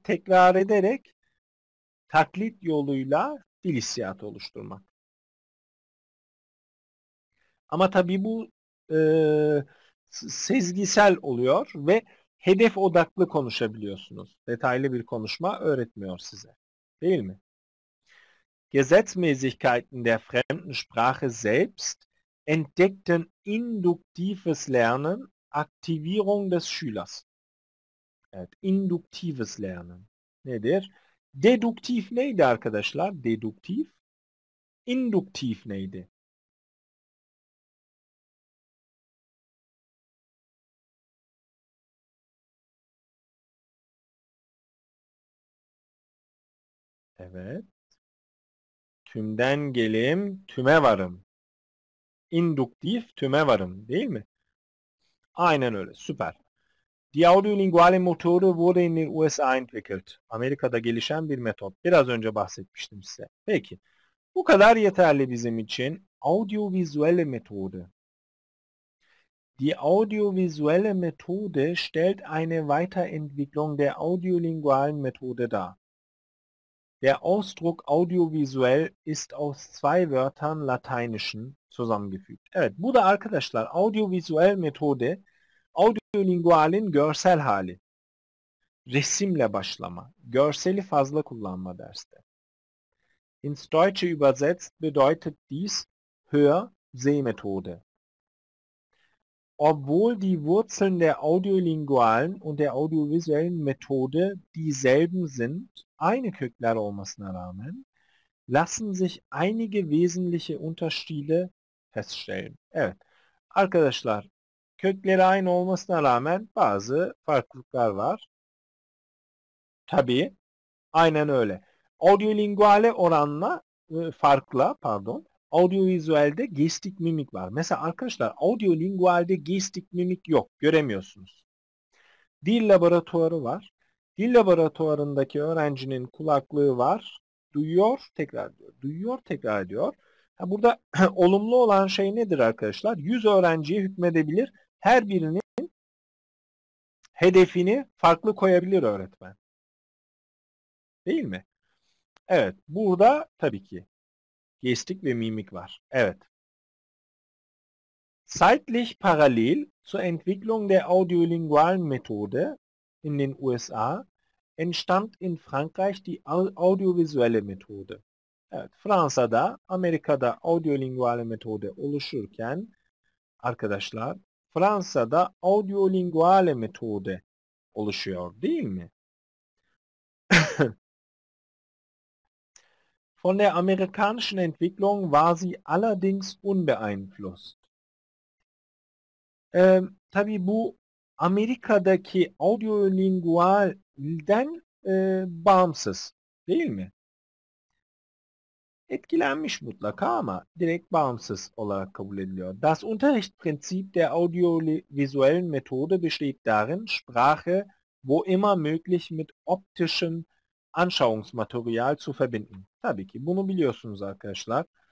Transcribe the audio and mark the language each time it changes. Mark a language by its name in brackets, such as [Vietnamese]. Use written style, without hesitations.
[Turkish] Tekrar ederek taklit yoluyla dil hissiyatı oluşturmak. Ama tabii bu sezgisel oluyor ve hedef odaklı konuşabiliyorsunuz. Detaylı bir konuşma öğretmiyor size. Değil mi? [German] Gesetzmäßigkeiten der fremden Sprache selbst entdeckten induktives Lernen, Aktivierung des Schülers. [Turkish] Evet, induktives Lernen. Nedir? Deduktif neydi arkadaşlar? Deduktif. İnduktif neydi? Evet. Tümden gelim, tüme varım. İnduktif, tüme varım, değil mi? Aynen öyle, süper. [German] Die audiolinguale motoru wurde in den USA entwickelt. [Turkish] Amerika'da gelişen bir metot. Biraz önce bahsetmiştim size. Peki, bu kadar yeterli bizim için. Audiovisuelle metodu. [German] Die audiovisuelle metode stellt eine Weiterentwicklung der audiolingualen metode dar. Der Ausdruck audiovisuell ist aus zwei Wörtern lateinischen zusammengefügt. [Turkish] Evet, bu da arkadaşlar audiovisuel metode, audiolingualin görsel hali. Resimle başlama, görseli fazla kullanma derste. [German] Ins Deutsche übersetzt bedeutet dies Hör-Seh-Methode. Obwohl die Wurzeln der audiolingualen und der audiovisuellen Methode dieselben sind, [Turkish] aynı kökler olmasına rağmen, [German] lassen sich einige wesentliche Unterschiede feststellen. [Turkish] Evet, arkadaşlar, kökleri aynı olmasına rağmen bazı farklılıklar var. Tabii, aynen öyle. Audiolinguale oranla, farklı, pardon, audiovizüelde gestik mimik var. Mesela arkadaşlar, audiolingualde gestik mimik yok, göremiyorsunuz. Dil laboratuvarı var. Dil laboratuvarındaki öğrencinin kulaklığı var. Duyuyor, tekrar ediyor. Duyuyor, tekrar ediyor. Ha, burada olumlu olan şey nedir arkadaşlar? 100 öğrenciye hükmedebilir. Her birinin hedefini farklı koyabilir öğretmen. Değil mi? Evet, burada tabii ki gestik ve mimik var. Evet. [German] Zeitlich parallel zur Entwicklung der audiolingualen Methode in den USA entstand in Frankreich die audiovisuelle Methode. [Turkish] Evet, Fransa'da, Amerika'da audiolinguale metode oluşurken arkadaşlar, Fransa'da audiolinguale metode oluşuyor, değil mi? [German] Von der amerikanischen Entwicklung war sie allerdings unbeeinflusst. [Turkish] Tabii bu Amerika'daki audiolingualden bağımsız, değil mi? Etkilenmiş mutlaka ama direkt bağımsız olarak kabul ediliyor. [German] Das Unterrichtsprinzip der audiovisuellen Methode besteht darin, Sprache wo immer möglich mit optischem Anschauungsmaterial zu verbinden. [Turkish] Tabii ki bunu biliyorsunuz arkadaşlar.